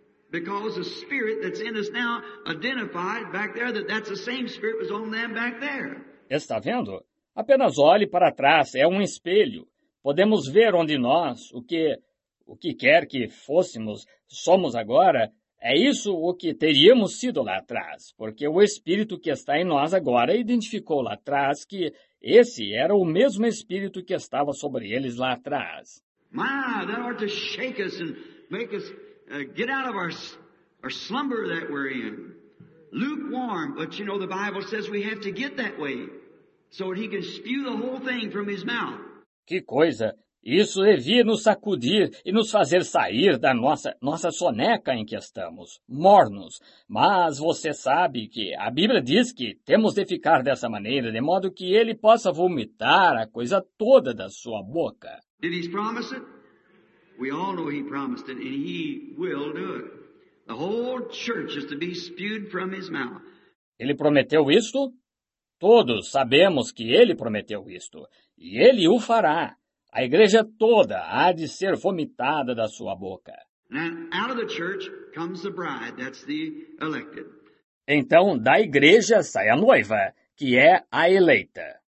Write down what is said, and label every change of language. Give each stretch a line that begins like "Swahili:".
English: Because the spirit that's in us now identified back there, that's the same spirit was on them back there.
Portuguese: Está vendo? Apenas olhe para trás. É um espelho. Podemos ver onde nós, o que quer que fôssemos, somos agora. É isso o que teríamos sido lá atrás, porque o Espírito que está em nós agora identificou lá atrás que esse era o mesmo Espírito que estava sobre eles lá atrás.
English: My, that ought to shake us and make us get out of our slumber that we're in. Lukewarm, but you know the Bible says we have to get that way so that he can spew the whole thing from his mouth.
Portuguese: Que coisa! Isso devia nos sacudir e nos fazer sair da nossa soneca em que estamos, mornos. Mas você sabe que a Bíblia diz que temos de ficar dessa maneira, de modo que ele possa vomitar a coisa toda da sua boca.
English: Did he promise it? We all know he promised it, and he will do it. The whole church is to be spewed from his mouth.
Portuguese: Ele prometeu isto? Todos sabemos que ele prometeu isto, e ele o fará. A igreja toda há de ser vomitada da sua boca.
English: Out of the church comes the bride, that's the elected.
Portuguese: Então, da igreja sai a noiva, que é a eleita.